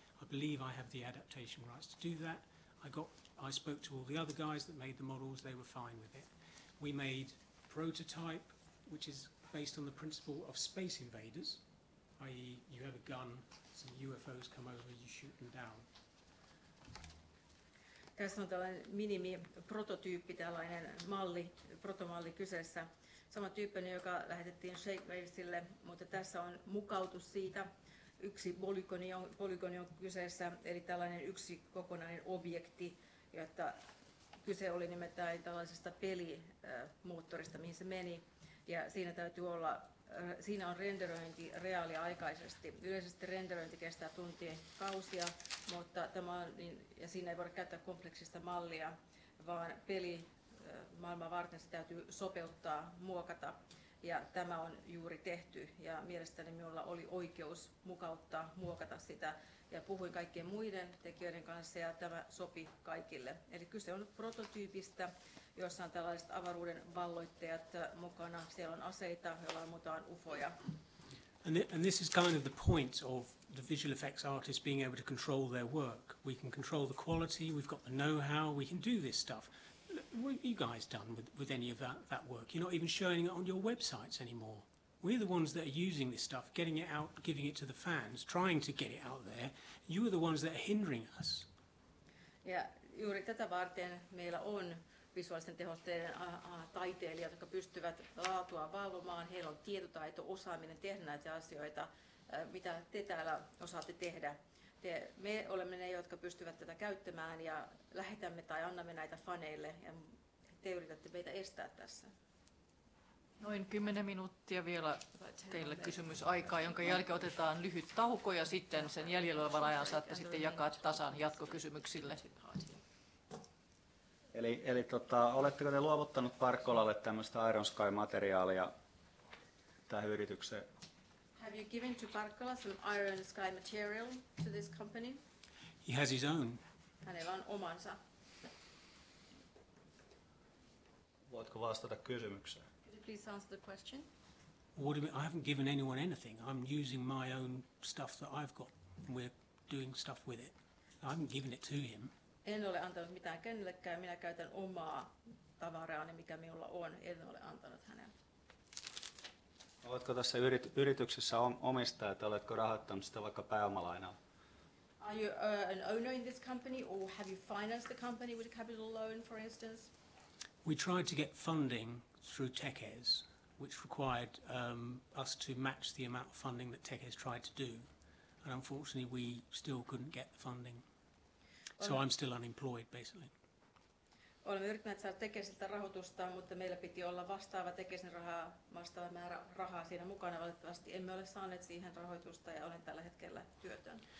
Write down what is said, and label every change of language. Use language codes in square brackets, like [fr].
[en] I believe I have the adaptation rights to do that. I spoke to all the other guys that made the models. They were fine with it. We made a prototype, which is based on the principle of Space Invaders, i.e. you have a gun, some UFOs come over, you shoot them down. [fi] Tässä on tällainen minimiprototyyppi, tällainen malli, protomalli kyseessä. Sama tyyppinen, joka lähetettiin Shapewavesille, mutta tässä on mukautus siitä. Yksi polygoni on kyseessä, eli tällainen yksi kokonainen objekti, jotta kyse oli nimittäin tällaisesta pelimoottorista, mihin se meni. Ja siinä täytyy olla, siinä on renderöinti reaaliaikaisesti. Yleisesti renderöinti kestää tuntien kausia, mutta tämä on, niin, ja siinä ei voida käyttää kompleksista mallia, vaan pelimaailman varten se täytyy sopeuttaa, muokata. Ja tämä on juuri tehty, ja mielestäni minulla oli oikeus mukauttaa, muokata sitä. Ja puhuin kaikkien muiden tekijöiden kanssa, ja tämä sopi kaikille. Eli kyse on prototyypistä, jossa on tällaiset avaruuden valloittajat mukana. Siellä on aseita, joilla on mukana ufoja. [en] And this is kind of the point of the visual effects artists being able to control their work. We can control the quality, we've got the know-how, we can do this stuff. What have you guys done with any of that work? You're not even showing it on your websites anymore. We're the ones that are using this stuff, getting it out, giving it to the fans, trying to get it out there. You are the ones that are hindering us. [fi] Ja juuri tätä varten meillä on visuaalisten tehosteiden taiteilijat, jotka pystyvät laatua valvomaan. Heillä on tietotaito, osaaminen tehdä näitä asioita, mitä te täällä osaatte tehdä. Me olemme ne, jotka pystyvät tätä käyttämään ja lähetämme tai annamme näitä faneille, ja te yritätte meitä estää tässä. Noin 10 minuuttia vielä teille kysymysaikaa, jonka jälkeen otetaan lyhyt tauko ja sitten sen jäljellä olevan ajan saatte sitten jakaa tasan jatkokysymyksille. Eli oletteko te luovuttanut Parkkolalle tämmöistä Iron Sky-materiaalia tähän yritykseen? [en] Have you given to Parkkola some Iron Sky material to this company? He has his own. [fi] Hänellä on omansa. Voitko vastata kysymykseen? [en] Please answer the question. What do you mean? I haven't given anyone anything. I'm using my own stuff that I've got. We're doing stuff with it. I haven't given it to him. [fi] En ole antanut mitään kenellekään. Minä käytän omaa tavaraani, mikä minulla on. En ole antanut hänelle. Oletko tässä yrityksessä omistaja, että oletko rahoittanut sitä vaikka pääomalainalla? [en] Are you an owner in this company, or have you financed the company with a capital loan, for instance? We tried to get funding through TechEz, which required us to match the amount of funding that TechEz tried to do, and unfortunately we still couldn't get the funding. So I'm still unemployed, basically. [fi] Olemme yrittäneet saada TechEziltä rahoitusta, mutta meillä piti olla vastaava TechEzin rahaa, vastaava määrä rahaa siinä mukana. Valitettavasti emme ole saaneet siihen rahoitusta ja olen tällä hetkellä työtön.